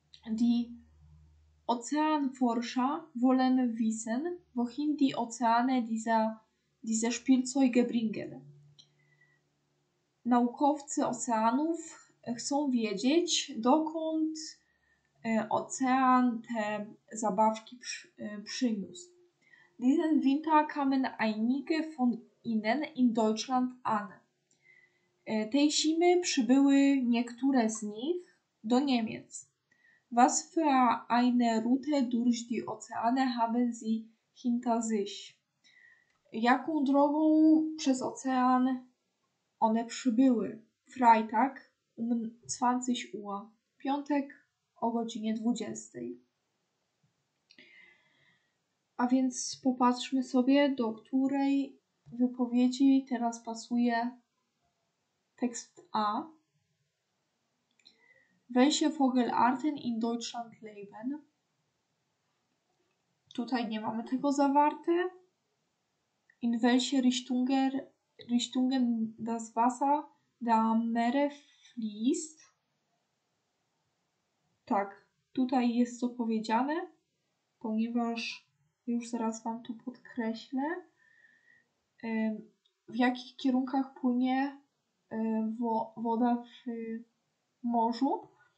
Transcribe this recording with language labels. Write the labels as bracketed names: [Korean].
[German] Die Ozeanforscher wollen wissen, wohin die Ozeane diese Spielzeuge bringen. [Polish] Naukowcy oceanów chcą wiedzieć, dokąd Ozean te zabawki przyniósł. [German] Diesen Winter kamen einige von ihnen in Deutschland an. [Polish] Tej zimy przybyły niektóre z nich do Niemiec. [German] Was für eine Route durch die Ozeane haben sie hinter sich? [Polish] Jaką drogą przez ocean one przybyły? [German] Freitag um 20 Uhr. [Polish] Piątek o godzinie 20. A więc popatrzmy sobie, do której wypowiedzi teraz pasuje tekst A. [German] Welche Vogelarten in Deutschland leben? [Polish] Tutaj nie mamy tego zawarte. [German] In welche Richtungen das Wasser der Meere fließt? [Polish] Tak, tutaj jest to powiedziane, ponieważ już zaraz Wam tu podkreślę, w jakich kierunkach płynie woda w morzu.